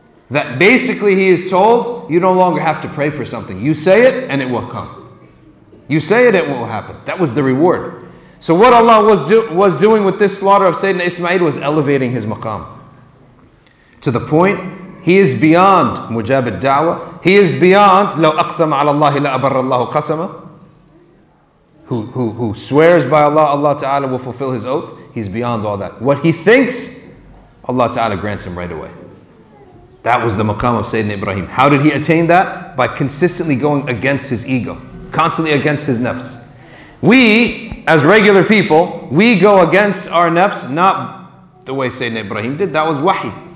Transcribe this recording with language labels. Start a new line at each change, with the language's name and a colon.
English: That basically he is told, you no longer have to pray for something. You say it and it will come. You say it and it will happen. That was the reward. So what Allah was doing with this slaughter of Sayyidina Ismail was elevating his maqam. To the point, he is beyond mujab al-da'wah. He is beyond
Arabic: لو أقسم على الله لا أبر الله قسمه.
English: Who swears by Allah, Allah Ta'ala will fulfill his oath. He's beyond all that. What he thinks, Allah Ta'ala grants him right away. That was the maqam of Sayyidina Ibrahim. How did he attain that? By consistently going against his ego. Constantly against his nafs. We, as regular people, we go against our nafs, not the way Sayyidina Ibrahim did. That was wahi.